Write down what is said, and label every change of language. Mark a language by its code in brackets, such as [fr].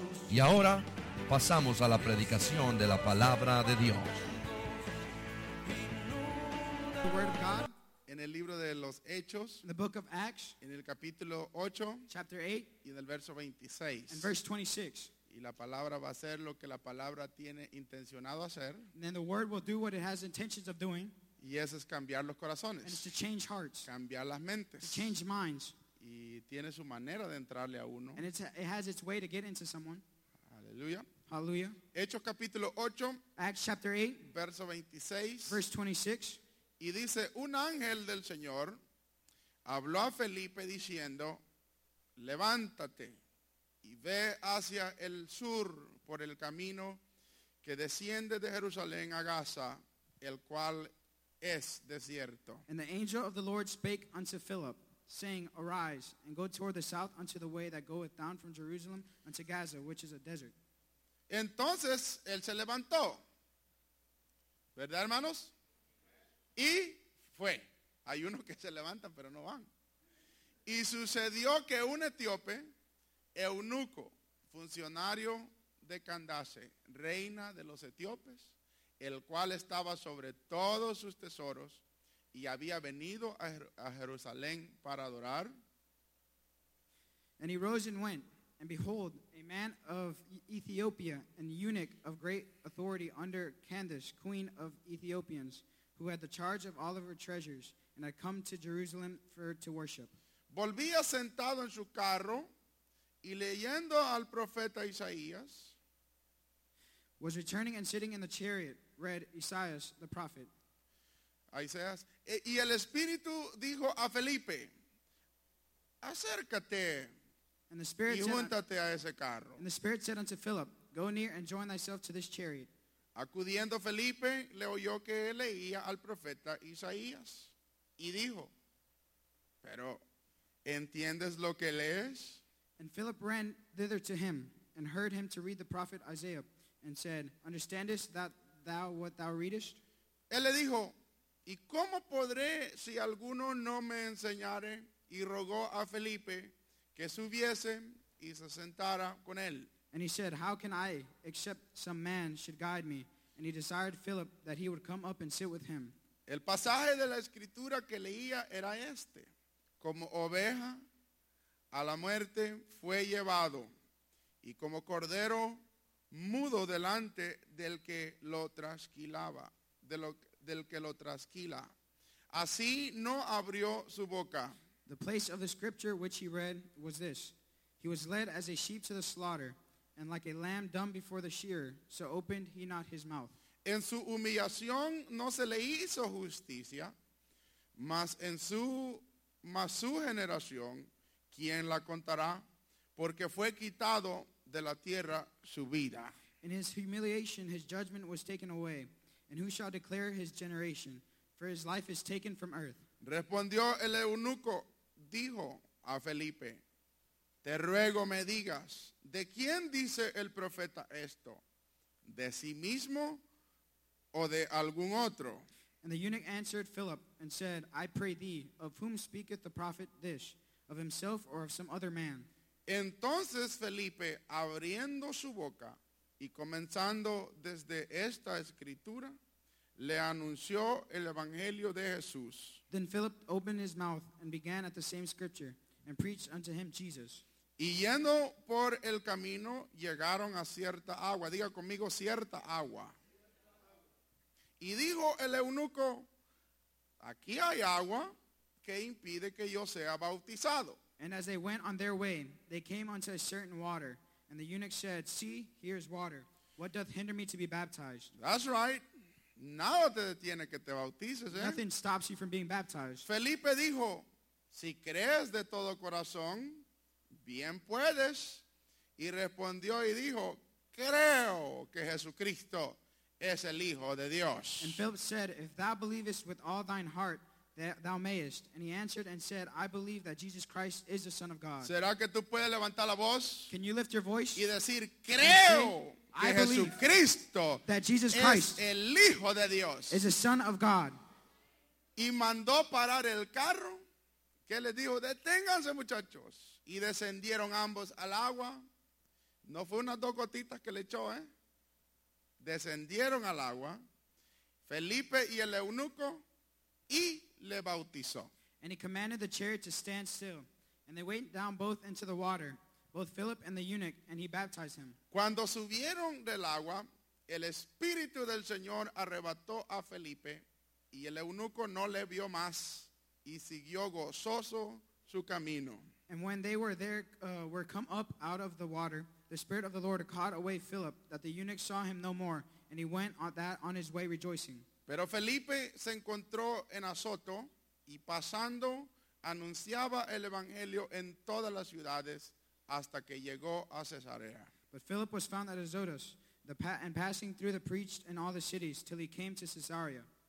[es] Y ahora, pasamos a la predicación de la Palabra de Dios. [en] The Word of God, [es] en el libro de los Hechos, [en] in the book of Acts, [es] en el capítulo 8, [en] chapter 8, [es] y en el verso 26. [en] And verse 26. [es] Y la palabra va a hacer lo que la palabra tiene intencionado hacer. [en] And then the word will do what it has intentions of doing. [es] Y eso es cambiar los corazones. [en] And it's to change hearts. [es] Cambiar las mentes. [en] To change minds. [es] Y tiene su manera de entrarle a uno. [en] And it has its way to get into someone. [es] Aleluya. [en] Hallelujah. [es] Hechos capítulo 8. [en] Acts chapter 8. [es] Verso 26. [en] Verse 26. [es] Y dice, un ángel del Señor habló a Felipe diciendo, levántate. Y ve hacia el sur por el camino que desciende de Jerusalén a Gaza, el cual es desierto. [en] And the angel of the Lord spake unto Philip, saying, Arise, and go toward the south unto the way that goeth down from Jerusalem unto Gaza, which is a desert. [es] Entonces él se levantó, ¿verdad, hermanos? Y fue. Hay unos que se levantan, pero no van. Y sucedió que un etíope, eunuco, funcionario de Candace, reina de los etíopes, el cual estaba sobre todos sus tesoros y había venido a Jerusalén para adorar. [en] And he rose and went, and behold, a man of Ethiopia, an eunuch of great authority under Candace, queen of Ethiopians, who had the charge of all of her treasures, and had come to Jerusalem for to worship. [es] Volvía sentado en su carro, y leyendo al profeta Isaías, [en] was returning and sitting in the chariot, read Isaías, the prophet. [es] Isaías, y el Espíritu dijo a Felipe, acércate [en] and the Spirit [es] y júntate a ese carro. [en] And the Spirit said unto Philip, go near and join thyself to this chariot. [es] Acudiendo Felipe, le oyó que leía al profeta Isaías, y dijo, pero ¿entiendes lo que lees? [en] And Philip ran thither to him, and heard him to read the prophet Isaiah, and said, Understandest thou what thou readest? [es] Él le dijo, ¿Y cómo podré si alguno no me enseñare? Y rogó a Felipe que subiese y se sentara con él. [en] And he said, How can I, except some man should guide me? And he desired Philip that he would come up and sit with him. [es] El pasaje de la escritura que leía era este, como oveja, a la muerte fue llevado, y como cordero mudo delante del que lo trasquilaba, del que lo trasquila. Así no abrió su boca. [en] The place of the scripture which he read was this. He was led as a sheep to the slaughter, and like a lamb dumb before the shearer, so opened he not his mouth. [es] En su humillación no se le hizo justicia, mas en su, mas su generación, ¿quién la contará? Porque fue quitado de la tierra su vida. [en] In his humiliation, his judgment was taken away. And who shall declare his generation? For his life is taken from earth. [es] Respondió el eunuco, dijo a Felipe, Te ruego me digas, ¿de quién dice el profeta esto? ¿De sí mismo o de algún otro? [en] And the eunuch answered Philip and said, I pray thee, of whom speaketh the prophet this? Of himself or of some other man. [es] Entonces Felipe, abriendo su boca y comenzando desde esta escritura, le anunció el evangelio de Jesús. [en] Then Philip opened his mouth and began at the same scripture and preached unto him Jesus. [es] Y yendo por el camino llegaron a cierta agua. Diga conmigo, cierta agua. Y dijo el eunuco, aquí hay agua. ¿Qué impide que yo sea bautizado? [en] And as they went on their way, they came unto a certain water. And the eunuch said, See, here is water. What doth hinder me to be baptized? That's right. [es] Nada te detiene que te bautices, ¿eh? [en] Nothing stops you from being baptized. [es] Felipe dijo, si crees de todo corazón, bien puedes. Y respondió y dijo, creo que Jesucristo es el Hijo de Dios. [en] And Philip said, if thou believest with all thine heart, that thou mayest. And he answered and said, I believe that Jesus Christ is the Son of God. [es] ¿Será que tú puedes levantar la voz? [en] Can you lift your voice? [es] Y decir, creo. [en] I believe that Jesus Christ [es] es el Hijo de Dios. [en] Is the Son of God. [es] Y mandó parar el carro, que le dijo, deténganse muchachos. Y descendieron ambos al agua. No fue unas dos gotitas que le echó, ¿eh? Descendieron al agua, Felipe y el eunuco, y le bautizó. [en] And he commanded the chariot to stand still. And they went down both into the water, both Philip and the eunuch, and he baptized him. [es] Cuando subieron del agua, el Espíritu del Señor arrebató a Felipe, y el eunuco no le vio más, y siguió gozoso su camino. [en] And when they were there, were come up out of the water, the Spirit of the Lord caught away Philip, that the eunuch saw him no more, and he went on that on his way rejoicing. [es] Pero Felipe se encontró en Azoto, y pasando, anunciaba el Evangelio en todas las ciudades, hasta que llegó a Cesarea. [en] But Philip was found at Azotus, and passing through the preached in all the cities till he came to Caesarea.